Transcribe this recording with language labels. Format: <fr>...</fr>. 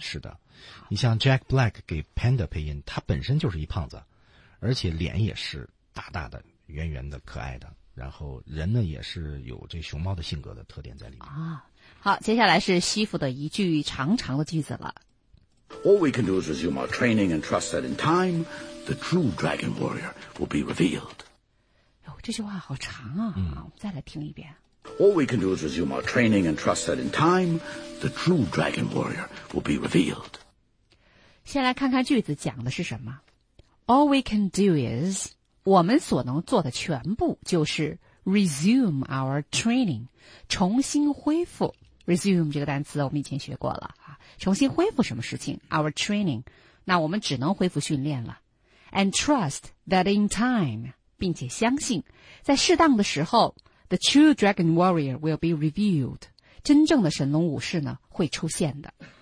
<zh>是的，你像 Jack Black 给 Panda 配音，他本身就是一胖子，而且脸也是大大的、圆圆的、可爱的，然后人呢也是有这熊猫的性格的特点在里面啊。好，接下来是西服的一句长长的句子了。</zh> <en>All we can do is resume our training and trust that in time.The true dragon warrior will be revealed.</en> <zh>这句话好长啊，嗯，我们再来听一遍。</zh> <en>All we can do is resume our training and trust that in time, the true dragon warrior will be revealed.</en> <zh>先来看看句子讲的是什么。</zh> <en>All we can do is,</en> <zh>我们所能做的全部就是</zh> <en>resume our training,</en> <zh>重新恢复。 resume 这个单词我们以前学过了，重新恢复什么事情？</zh> <en>our training,</en> <zh>那我们只能恢复训练了。</zh> <en>and trust that in time,</en> <zh>并且相信在适当的时候</zh> <en>the true dragon warrior will be revealed,</en> <zh>真正的神龙武士呢会出现的。</zh>